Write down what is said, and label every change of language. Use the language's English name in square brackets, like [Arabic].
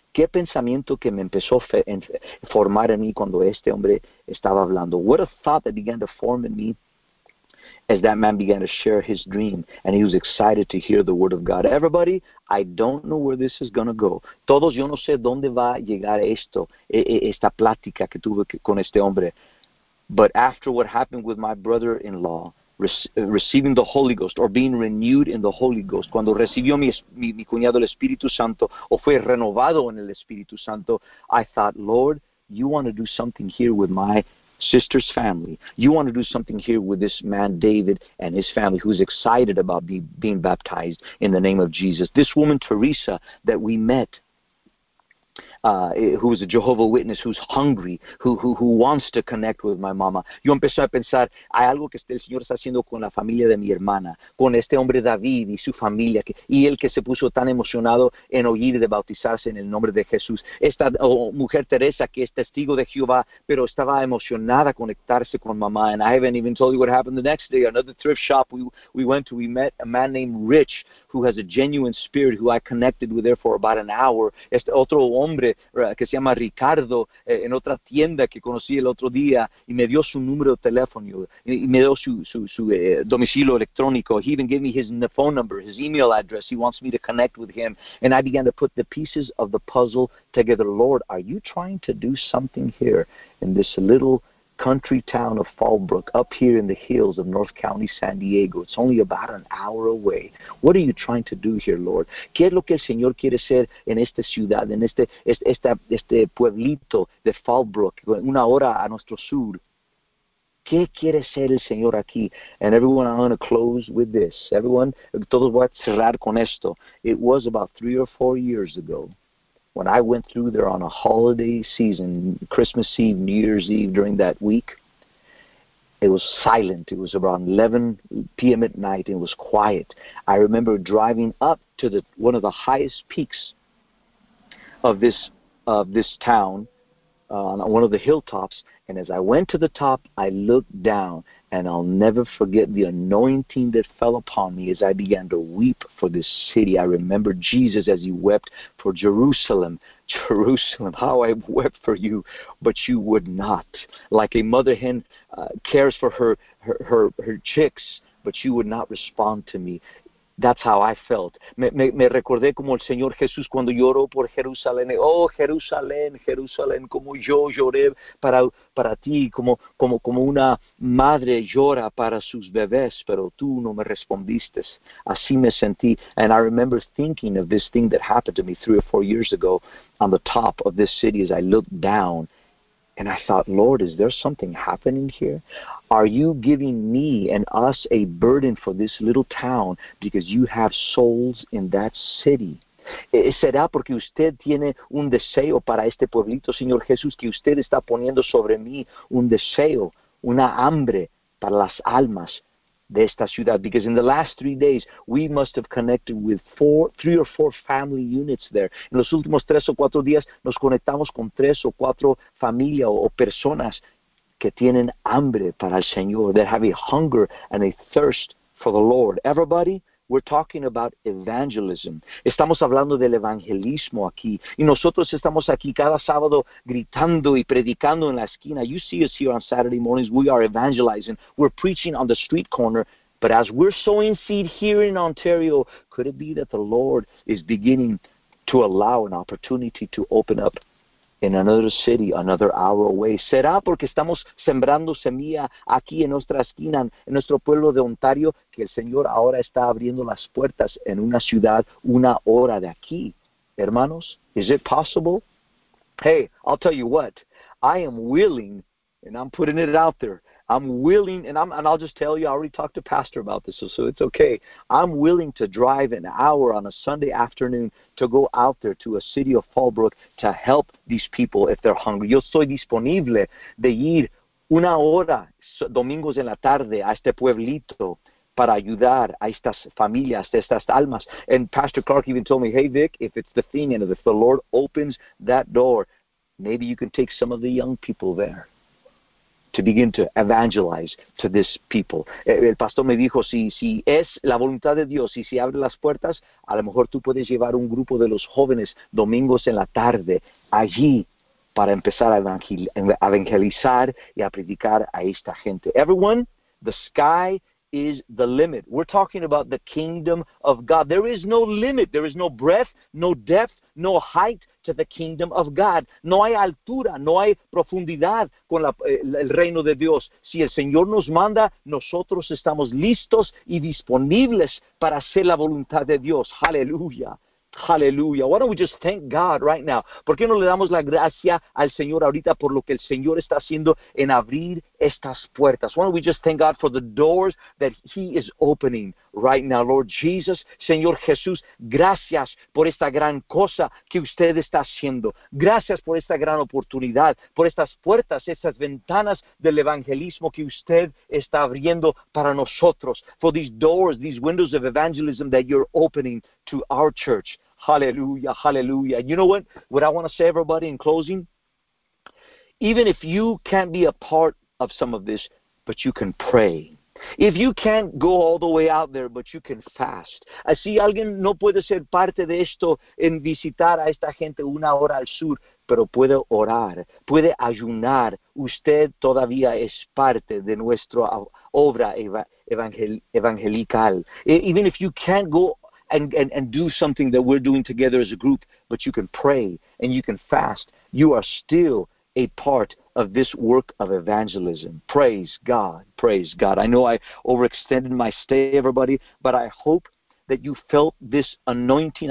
[Spanish] ¿Qué pensamiento que me empezó a formar en mí cuando este hombre estaba hablando? [English] What a thought that began to form in me as that man began to share his dream and he was excited to hear the word of God. Everybody, I don't know where this is going to go. [Spanish] Todos, yo no sé dónde va a llegar esto, esta plática que tuve con este hombre. [English] But after what happened with my brother-in-law, receiving the Holy Ghost or being renewed in the Holy Ghost, [Spanish] cuando recibió mi cuñado el Espíritu Santo o fue renovado en el Espíritu Santo, [English] I thought, Lord, you want to do something here with my sister's family. You want to do something here with this man, David, and his family, who's excited about being baptized in the name of Jesus. This woman, Teresa, that we met, who is a Jehovah's Witness, who's hungry, who wants to connect with my mama. [Spanish] Yo empecé a pensar, hay algo que el Señor está haciendo con la familia de mi hermana, con este hombre David y su familia, y él que se puso tan emocionado en oír de bautizarse en el nombre de Jesús. Mujer Teresa, que es testigo de Jehová, pero estaba emocionada a conectarse con mamá. [English] And I haven't even told you what happened the next day. Another thrift shop we went to, we met a man named Rich, who has a genuine spirit, who I connected with there for about an hour. [Spanish] Este otro hombre que se llama Ricardo, en otra tienda que conocí el otro día y me dio su número de teléfono y me dio su domicilio electrónico. [English] He even gave me his phone number, his email address. He wants me to connect with him. And I began to put the pieces of the puzzle together. Lord, are you trying to do something here in this little country town of Fallbrook, up here in the hills of North County, San Diego? It's only about an hour away. What are you trying to do here, Lord? [Spanish] ¿Qué es lo que el Señor quiere hacer en esta ciudad, en este pueblito de Fallbrook, una hora a nuestro sur? ¿Qué quiere hacer el Señor aquí? [English] And everyone, I'm going to close with this. Everyone, [Spanish] todos voy a cerrar con esto. [English] It was about 3 or 4 years ago when I went through there on a holiday season, Christmas Eve, New Year's Eve, during that week. It was silent. It was around 11 p.m. at night. It was quiet. I remember driving up to one of the highest peaks of this town, on one of the hilltops. And as I went to the top, I looked down, and I'll never forget the anointing that fell upon me as I began to weep for this city. I remember Jesus as he wept for Jerusalem. Jerusalem, how I wept for you, but you would not. Like a mother hen cares for her chicks, but you would not respond to me. That's how I felt. [Spanish] Me recordé como el Señor Jesús cuando lloró por Jerusalén. Oh, Jerusalén, Jerusalén, como yo lloré para ti, como una madre llora para sus bebés, pero tú no me respondiste. Así me sentí. [English] And I remember thinking of this thing that happened to me 3 or 4 years ago on the top of this city as I looked down. And I thought, Lord, is there something happening here? Are you giving me and us a burden for this little town because you have souls in that city? [Spanish] ¿Será porque usted tiene un deseo para este pueblito, Señor Jesús, que usted está poniendo sobre mí un deseo, una hambre para las almas de esta ciudad? [English] Because in the last 3 days, we must have connected with three or four family units there. [Spanish] En los últimos 3 o 4 días, nos conectamos con 3 o 4 familias o personas que tienen hambre para el Señor, [English] that have a hunger and a thirst for the Lord. Everybody, We're talking about evangelism. [Spanish] Estamos hablando del evangelismo aquí. Y nosotros estamos aquí cada sábado gritando y predicando en la esquina. [English] You see us here on Saturday mornings. We are evangelizing. We're preaching on the street corner. But as we're sowing seed here in Ontario, could it be that the Lord is beginning to allow an opportunity to open up in another city, another hour away? [Spanish] ¿Será porque estamos sembrando semilla aquí en nuestra esquina, en nuestro pueblo de Ontario, que el Señor ahora está abriendo las puertas en una ciudad una hora de aquí? [English] Hermanos, is it possible? Hey, I'll tell you what. I am willing, and I'm putting it out there. I'm willing, and I'll just tell you, I already talked to Pastor about this, so it's okay. I'm willing to drive an hour on a Sunday afternoon to go out there to a city of Fallbrook to help these people if they're hungry. [Spanish] Yo soy disponible de ir una hora domingos en la tarde a este pueblito para ayudar a estas familias, a estas almas. [English] And Pastor Clark even told me, hey, Vic, if it's the thing, and if the Lord opens that door, maybe you can take some of the young people there to begin to evangelize to this people. [Spanish] El pastor me dijo, si es la voluntad de Dios y si abre las puertas, a lo mejor tú puedes llevar un grupo de los jóvenes domingos en la tarde allí para empezar a evangelizar y a predicar a esta gente. [English] Everyone, the sky is the limit. We're talking about the kingdom of God. There is no limit. There is no breadth, no depth, no height to the kingdom of God. [Spanish] No hay altura, no hay profundidad con el reino de Dios. Si el Señor nos manda, nosotros estamos listos y disponibles para hacer la voluntad de Dios. Aleluya. Aleluya. [English] Why don't we just thank God right now? [Spanish] ¿Por qué no le damos la gracia al Señor ahorita por lo que el Señor está haciendo en abrir estas puertas? [English] Why don't we just thank God for the doors that He is opening right now, Lord Jesus? [Spanish] Señor Jesús, gracias por esta gran cosa que usted está haciendo. Gracias por esta gran oportunidad, por estas puertas, estas ventanas del evangelismo que usted está abriendo para nosotros. [English] For these doors, these windows of evangelism that you're opening to our church. Hallelujah, hallelujah. You know what I want to say, everybody, in closing? Even if you can't be a part of some of this, but you can pray. If you can't go all the way out there, but you can fast. [Spanish] Si alguien no puede ser parte de esto en visitar a esta gente una hora al sur, pero puede orar, puede ayunar, usted todavía es parte de nuestra obra evangelical. [English] Even if you can't go and do something that we're doing together as a group, but you can pray and you can fast, you are still a part of this work of evangelism. Praise God. Praise God. I know I overextended my stay, everybody, but I hope that you felt this anointing.